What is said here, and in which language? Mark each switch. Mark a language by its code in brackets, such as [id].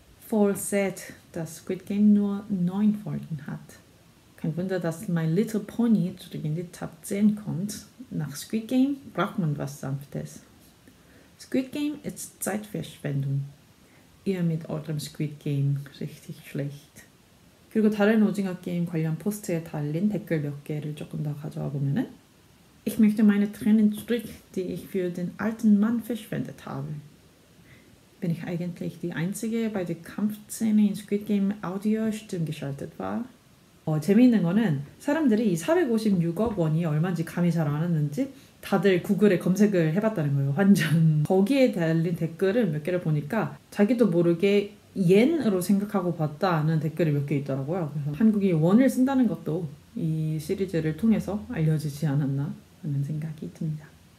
[de] Voll sad, dass Squid Game nur 9 Folgen hat. Kein Wunder, dass My Little Pony zurück in die Top 10 kommt. Nach Squid Game braucht man was Sanftes. Squid Game ist Zeitverschwendung. Ihr mit eurem Squid Game richtig schlecht. [ko] 그리고 다른 오징어 게임 관련 포스트에 달린 댓글 몇 개를 조금 더 가져와 보면은, [de] Ich möchte meine Tränen zurück, die ich für den alten Mann verschwendet habe. Bin ich eigentlich die Einzige, bei der Kampfszene in Squid Game Audio stimmgeschaltet war? [ko] 재미있는 거는 사람들이 이 456억 원이 얼마인지 감이 잘안 왔는지 다들 구글에 검색을 해봤다는 거예요. 환전. 거기에 달린 댓글을 몇 개를 보니까 자기도 모르게 옌으로 생각하고 봤다는 댓글이 몇개 있더라고요. 그래서 한국이 원을 쓴다는 것도 이 시리즈를 통해서 알려지지 않았나 하는 생각이 듭니다.